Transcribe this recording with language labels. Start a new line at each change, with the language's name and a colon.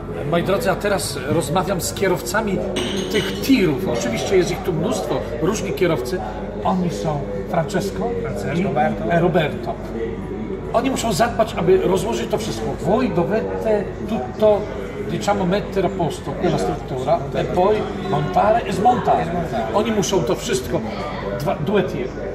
Polish: Moi drodzy, a teraz rozmawiam z kierowcami tych tirów. Oczywiście jest ich tu mnóstwo, różni kierowcy. Oni są Francesco, Francesco i Roberto. Oni muszą zadbać, aby rozłożyć to wszystko.
Italian: Voi dovete tutto, diciamo, mettere a posto quella struttura e poi montare e smontare.
Polish: Oni muszą to wszystko,
Italian: due tiri.